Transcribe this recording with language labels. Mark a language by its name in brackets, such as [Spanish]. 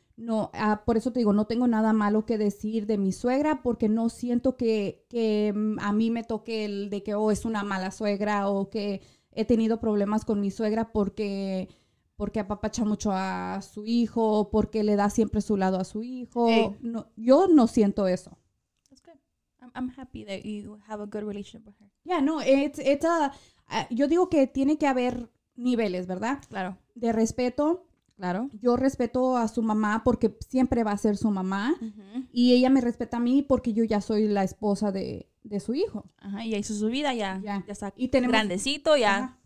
[Spanish] No, por eso te digo, no tengo nada malo que decir de mi suegra porque no siento que a mí me toque el de que, oh, es una mala suegra o que he tenido problemas con mi suegra porque apapacha mucho a su hijo, porque le da siempre su lado a su hijo. [English] Hey. [Spanish] No, yo no siento eso. [English] That's good. I'm happy that you have a good relationship with her. Yeah, no, it's a... [Spanish] yo digo que tiene que haber niveles, ¿verdad? Claro. De respeto. Claro. Yo respeto a su mamá porque siempre va a ser su mamá. Uh-huh. Y ella me respeta a mí porque yo ya soy la esposa de su hijo. Ajá, y ya hizo su vida, ya. Ya. Ya está y tenemos, grandecito, ya. Ajá,